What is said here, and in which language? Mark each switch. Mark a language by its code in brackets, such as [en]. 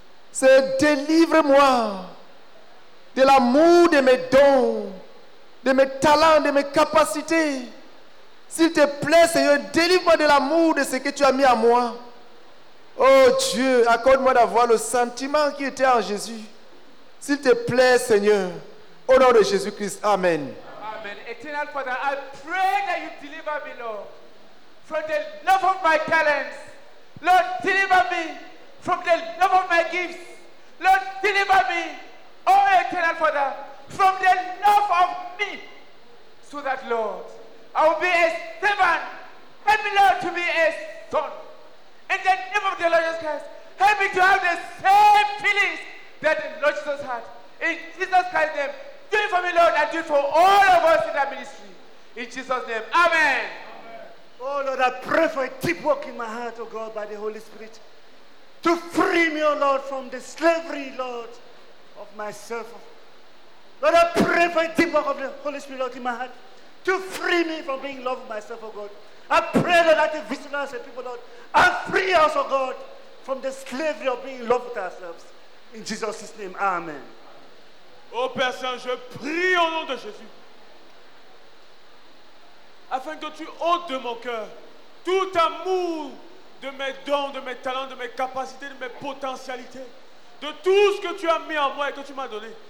[fr] Seigneur, délivre-moi de l'amour de mes dons, de mes talents, de mes capacités. S'il te plaît, Seigneur, délivre-moi de l'amour de ce que tu as mis à moi. Oh Dieu, accorde-moi d'avoir le sentiment qui était en Jésus. S'il te plaît, Seigneur, au nom de Jésus-Christ, amen. Amen. [en] Eternal Father, I pray that you deliver me, Lord, from the love of my talents. Lord, deliver me from the love of my gifts. Lord, deliver me, oh Eternal Father, from the love of me, so that, Lord, I will be a servant. Help me, Lord, to be a son. In the name of the Lord Jesus Christ, help me to have the same feelings that the Lord Jesus had. In Jesus Christ's name, do it for me, Lord, and do it for all of us in that ministry. In Jesus' name, amen. Oh, Lord, I pray for a deep work in my heart, oh God, by the Holy Spirit, to free me, oh Lord, from the slavery, Lord, of myself. Lord, I pray for a deep work of the Holy Spirit, Lord, in my heart, to free me from being in love with myself, oh God. I pray, Lord, that you visit us, and people, Lord, and free us, oh God, from the slavery of being in love with ourselves. In Jesus' name, amen. [fr] Oh, Père Saint, je prie au nom de Jésus, afin que tu ôtes de mon cœur tout amour de mes dons, de mes talents, de mes capacités, de mes potentialités, de tout ce que tu as mis en moi et que tu m'as donné.